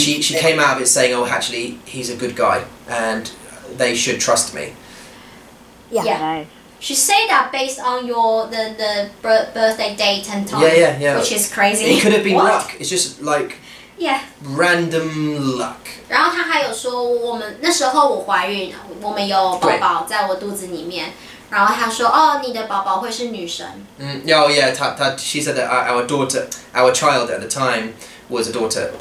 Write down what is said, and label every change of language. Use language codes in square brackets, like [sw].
[en] she came out of it saying, oh, actually, he's a good guy, and they should trust me. Yeah. She said that based on the birthday date and time, yeah. which is crazy. It could have been luck. It's just like, Yeah. Random luck. [zh] 然后他还有说我们那时候我怀孕了，我们有宝宝在我肚子里面。然后他说哦，你的宝宝会是女神。嗯，有 [en] yeah, yeah. She said that our daughter, our child at the time was a daughter,